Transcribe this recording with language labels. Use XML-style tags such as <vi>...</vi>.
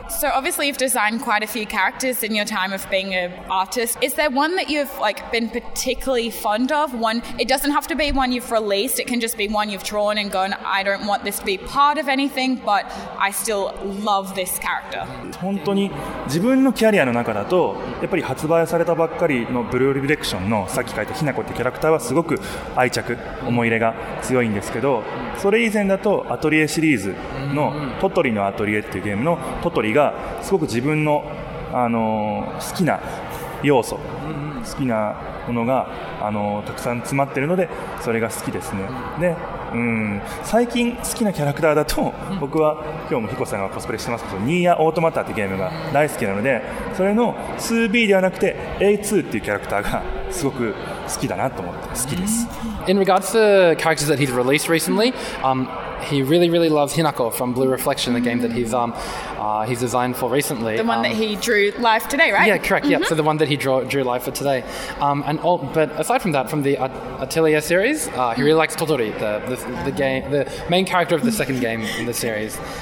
<en>So obviously you've designed quite a few characters in your time of being an artist. Is there one that you've like been particularly fond of? One, it doesn't have to be one you've released. It can just be one you've drawn and gone, I don't want this to be part of anything, but I still love this character.</en> <ja>本当に自分のキャリアの中だと、やっぱり発売されたばっかりのブルーリフレクションのさっき書いたひなこってキャラクターはすごく愛着、思い入れが強いんですけど、それ以前だとアトリエシリーズのトトリのアトリエっていうゲームのトトリがすごく自分の、好きな要素、好きなものが、たくさん詰まってるのでそれが好きですね。で、最近好きなキャラクターだと僕は今日もヒコさんがコスプレしてますけどニーヤオートマタってゲームが大好きなのでそれの 2B ではなくて A2 っていうキャラクターがすごく好きだなと思って好きです。</ja> <en>In regards to characters that he's released recently, he really, really loves Hinako from Blue Reflection, the game that he's designed for recently. The one that he drew live today, right? Yeah, correct. Mm-hmm. Yeah, so the one that he drew live for today. But aside from that, from the Atelier series, he really likes Totori, the game, the main character of the second game in the series.</en>